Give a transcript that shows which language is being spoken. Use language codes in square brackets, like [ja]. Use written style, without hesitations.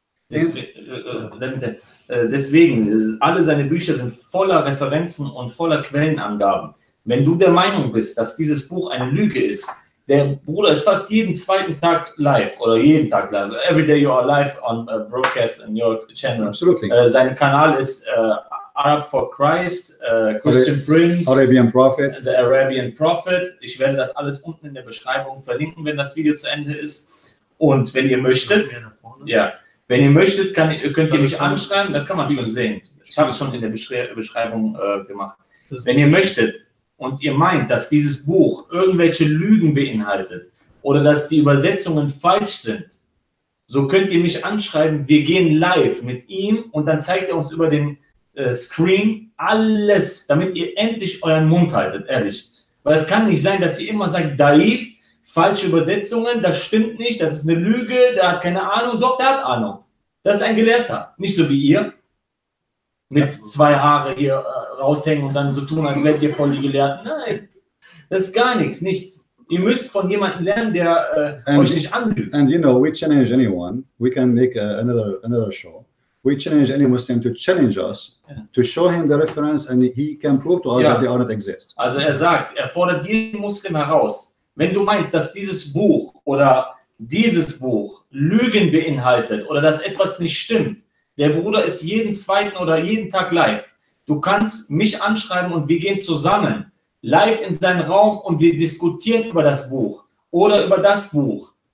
[de] Deswegen, alle seine Bücher sind voller Referenzen und voller Quellenangaben. Wenn du der Meinung bist, dass dieses Buch eine Lüge ist, der Bruder ist fast jeden zweiten Tag live oder jeden Tag live. [en] Every day you are live on a broadcast on your channel. Absolutely. [de] Sein Kanal ist Arab for Christ, Christian Prince, [en] Arabian Prophet. The Arabian Prophet. [de] Ich werde das alles unten in der Beschreibung verlinken, wenn das Video zu Ende ist. Und wenn ihr möchtet, ja. Wenn ihr möchtet, könnt ihr mich anschreiben. Das kann man schon sehen. Ich habe es schon in der Beschreibung gemacht. Wenn ihr möchtet und ihr meint, dass dieses Buch irgendwelche Lügen beinhaltet oder dass die Übersetzungen falsch sind, so könnt ihr mich anschreiben. Wir gehen live mit ihm und dann zeigt er uns über den Screen alles, damit ihr endlich euren Mund haltet, ehrlich. Weil es kann nicht sein, dass ihr immer sagt, Daif, falsche Übersetzungen, das stimmt nicht, das ist eine Lüge, der hat keine Ahnung. Doch, der hat Ahnung. Das ist ein Gelehrter. Nicht so wie ihr, mit zwei Haare hier raushängen und dann so tun, als wärt ihr voll die Gelehrten. Nein, das ist gar nichts, nichts. Ihr müsst von jemandem lernen, der euch nicht anlügt. [en] And you know, we challenge anyone, we can make another show. We challenge any Muslim to challenge us, to show him the reference and he can prove to us that they do not exist. [de] Also er sagt, er fordert jeden Muslim heraus. Wenn du meinst, dass dieses Buch Lügen beinhaltet oder dass etwas nicht stimmt, der Bruder ist jeden zweiten oder jeden Tag live. Du kannst mich anschreiben und wir gehen zusammen live in seinen Raum und wir diskutieren über das Buch oder über das Buch.